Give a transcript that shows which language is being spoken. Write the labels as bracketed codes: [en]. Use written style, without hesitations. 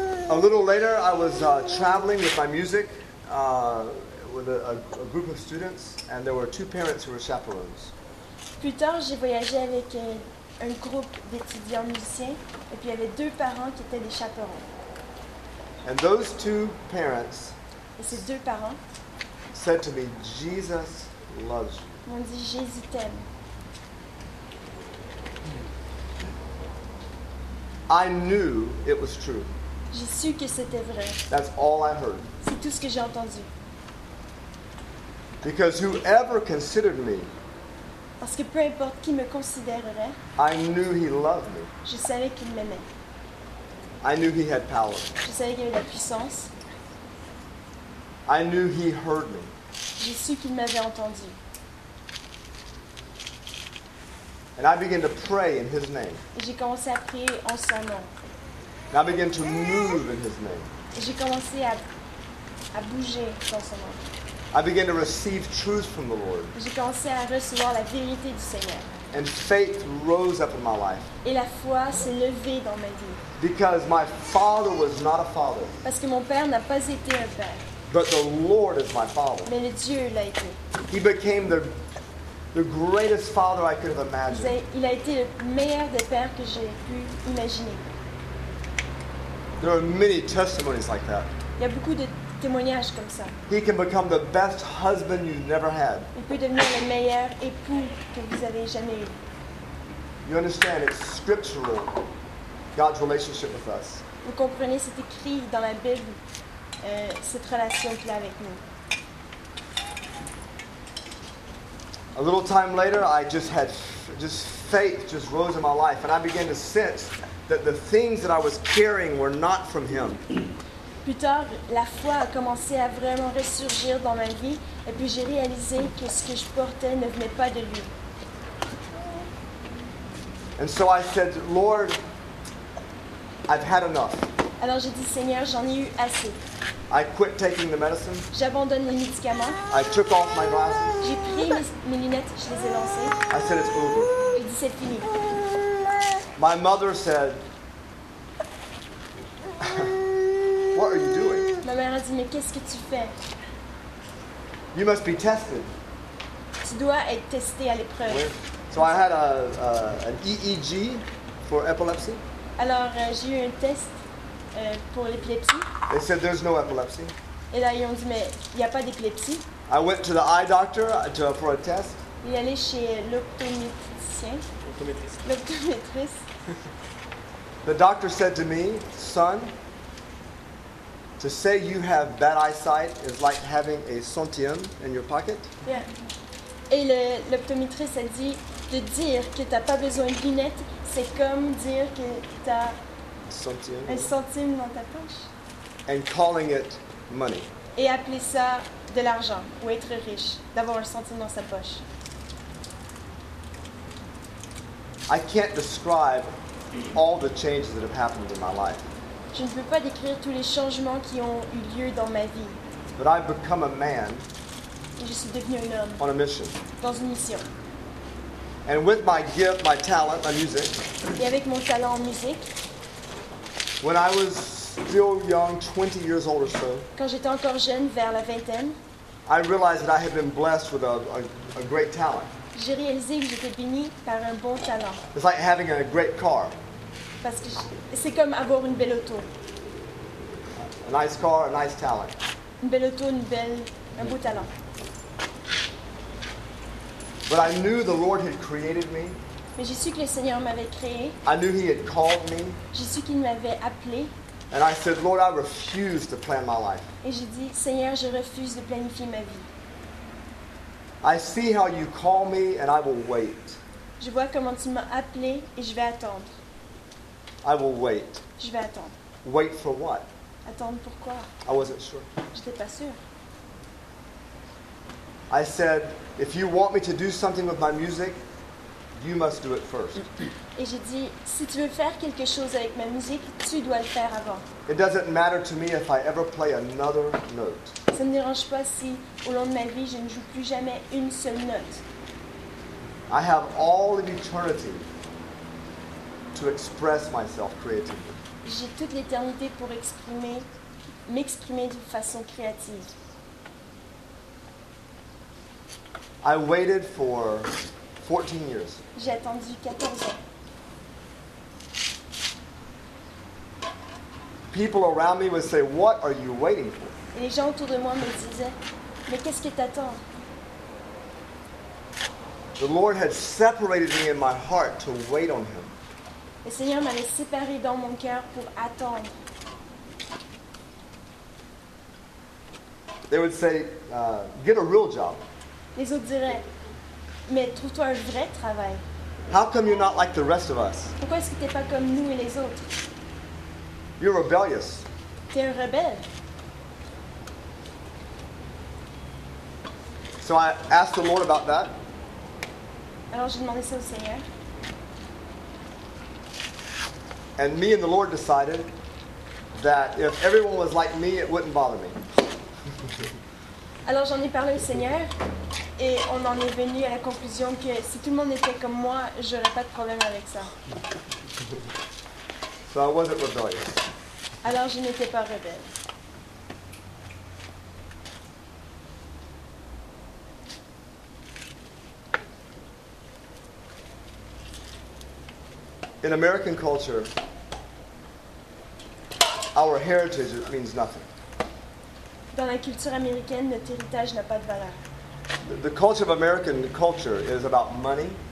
[en] A little later, I was traveling with my music with a group of students and there were two parents who were chaperones. [fr] Plus tard, j'ai voyagé avec un groupe d'étudiants musiciens et puis il y avait deux parents qui étaient des chaperons. [en] And those two parents [fr] et ces deux parents [en] said to me, Jesus loves you. [fr] On dit, Jésus t'aime. [en] I knew it was true. [fr] J'ai su que c'était vrai. [en] That's all I heard. [fr] C'est tout ce que j'ai entendu. [en] Because whoever considered me, [fr] parce que peu importe qui me considérerait, [en] I knew he loved me. [fr] Je savais qu'il m'aimait. [en] I knew he had power. [fr] Je savais qu'il avait la puissance. [en] I knew he heard me. [fr] J'ai su qu'il m'avait entendu. [en] And I began to pray in his name. [fr] Et j'ai commencé à prier en son nom. [en] And I began to move in his name. [fr] Et j'ai commencé à bouger dans son nom. [en] I began to receive truth from the Lord. [fr] Et j'ai commencé à recevoir la vérité du Seigneur. [en] And faith rose up in my life. [fr] Et la foi s'est levée dans ma vie. [en] Because my father was not a father. [fr] Parce que mon père n'a pas été un père. [en] But the Lord is my father. [fr] Mais le Dieu l'a été. [en] He became the greatest father I could have imagined. [fr] Il a été le meilleur des pères que j'ai pu imaginer. [en] There are many testimonies like that. [fr] Il y a beaucoup de témoignages comme ça. [en] He can become the best husband you've never had. [fr] Il peut devenir le meilleur époux que vous avez jamais eu. [en] You understand, it's scriptural, God's relationship with us. [fr] Vous comprenez, c'est écrit dans la Bible, cette relation qu'il a avec nous. [en] A little time later, I just had just faith just rose in my life, and I began to sense that the things that I was carrying were not from him. [fr] Plus tard, la foi a commencé à vraiment ressurgir dans ma vie, et puis j'ai réalisé que ce que je portais ne venait pas de lui. [en] And so I said, Lord, I've had enough. [fr] Alors j'ai dit, Seigneur, j'en ai eu assez. [en] I quit taking the medicine. [fr] J'abandonne les médicaments. [en] I took off my glasses. [fr] J'ai pris mes lunettes, je les ai lancées. [en] I said, it's over. [fr] Il dit, c'est fini. [en] My mother said, what are you doing? [fr] Ma mère a dit, mais qu'est-ce que tu fais? [en] You must be tested. [fr] Tu dois être testé à l'épreuve. [en] So I had an EEG for epilepsy. [fr] Alors, j'ai eu un test pour l'épilepsie. [en] They said, there's no epilepsy. [fr] Et là, ils ont dit, mais il n'y a pas d'épilepsie. [en] I went to the eye doctor for a test. [fr] Il est allé chez l'optométricien. L'optométriste. [en] The doctor said to me, son, to say you have bad eyesight is like having a centime in your pocket. Yeah. [fr] Et l'optométriste a dit, de dire que tu n'as pas besoin de lunettes, c'est comme dire que tu as un centime dans ta poche. [en] And calling it money. [fr] Et appeler ça de l'argent, ou être riche, d'avoir un centime dans sa poche. [en] I can't describe all the changes that have happened in my life. [fr] Je ne peux pas décrire tous les changements qui ont eu lieu dans ma vie. [en] But I've become a man. [fr] Et je suis devenu un homme. [en] On a mission. [fr] Dans une mission. [en] And with my gift, my talent, my music. [fr] Et avec mon talent en musique. [en] When I was still young, 20 years old or so. [fr] Quand j'étais encore jeune, vers la vingtaine. [en] I realized that I had been blessed with a great talent. [fr] J'ai réalisé que j'étais béni par un bon talent. [en] It's like having a great car. [fr] Parce que c'est comme avoir une belle auto. [en] A nice car, a nice talent. [fr] Une belle auto, un beau talent. [en] But I knew the Lord had created me. [fr] Mais j'ai su que le Seigneur m'avait créé. [en] I knew He had called me. [fr] J'ai su qu'il m'avait appelé. [en] And I said, Lord, I refuse to plan my life. [fr] Et j'ai dit, Seigneur, je refuse de planifier ma vie. [en] I see how you call me and I will wait. [fr] Je vois comment tu m'as appelé et je vais attendre. [en] I will wait. [fr] Je vais attendre. [en] Wait for what? [fr] Attendre pour quoi? [en] I wasn't sure. [fr] J'étais pas sûr. [en] I said, if you want me to do something with my music, you must do it first. [fr] Et j'ai dit, si tu veux faire quelque chose avec ma musique, tu dois le faire avant. [en] It doesn't matter to me if I ever play another note. [fr] Ça ne dérange pas si, au long de ma vie, je ne joue plus jamais une seule note. [en] I have all of eternity to express myself creatively. [fr] J'ai toute l'éternité pour m'exprimer de façon créative. [en] I waited for 14 years. [fr] J'ai attendu 14 ans. [en] People around me would say, "What are you waiting for?" [fr] Et les gens autour de moi me disaient, "Mais qu'est-ce qui t'attend?" [en] The Lord had separated me in my heart to wait on Him. [fr] Le Seigneur m'avait séparé dans mon cœur pour attendre. [en] They would say, "Get a real job." [fr] Les autres diraient, mais trouve-toi un vrai travail. [en] How come you're not like the rest of us? [fr] Pourquoi est-ce que t'es pas comme nous et les autres? [en] You're rebellious. [fr] T'es un rebelle. [en] So I asked the Lord about that. [fr] Alors j'ai demandé ça au Seigneur. [en] And me and the Lord decided that if everyone was like me, it wouldn't bother me. [fr] Alors j'en ai parlé au Seigneur. Et on en est venu à la conclusion que si tout le monde était comme moi, je n'aurais pas de problème avec ça. [en] So I wasn't rebellious. [fr] Alors je n'étais pas rebelle. [en] In American culture, our heritage means nothing. [fr] Dans la culture américaine, notre héritage n'a pas de valeur. [en] The culture of American culture is about money.